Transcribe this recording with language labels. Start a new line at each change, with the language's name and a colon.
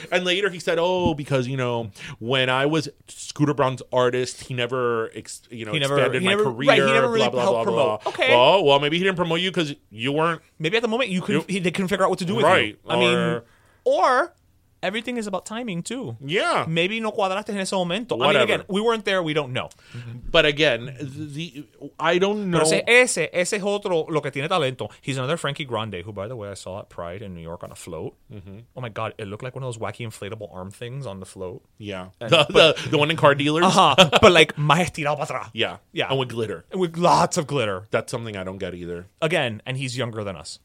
English: And later he said, oh, because, you know, when I was Scooter Braun's artist, he never expanded my career, blah, blah, blah. Okay. Well, maybe he didn't promote you because you weren't. Maybe at the moment they couldn't figure out what to do with you. Right. Or everything is about timing, too. Yeah. Maybe
Spanish: no cuadraste en ese momento.
English: Whatever. I mean, again, we weren't there. We don't know. But again, I don't know.
Spanish: Pero ese es otro lo que tiene talento.
English: He's another Frankie Grande, who, by the way, I saw at Pride in New York on a float. Mm-hmm. Oh, my God. It looked like one of those wacky inflatable arm things on the float. Yeah. The one in car dealers. Uh-huh. But like,
Spanish: más estirado para atrás.
English: Yeah. Yeah. And with glitter. And with lots of glitter. That's something I don't get either. Again, and he's younger than us.